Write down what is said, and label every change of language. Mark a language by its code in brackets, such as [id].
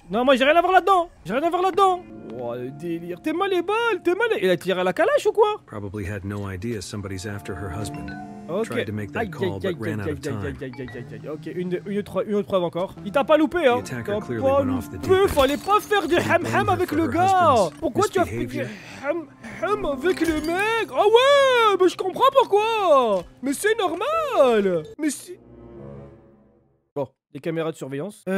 [fr] Non, moi j'ai rien à voir là-dedans. J'ai rien à voir là-dedans. Oh le délire, t'es mal les balles, t'es mal. Il a tiré à la calache ou quoi? [en] Probably had no idea somebody's after her husband. Ok. Tried to make that call but ran out of time. [fr] Ok, une autre preuve encore. Il t'a pas loupé hein? Fallait pas faire du ham ham avec le gars. Pourquoi tu as fait du ham ham avec le mec? Ah ouais, mais je comprends pourquoi. Mais c'est normal. Mais si. Les caméras de surveillance.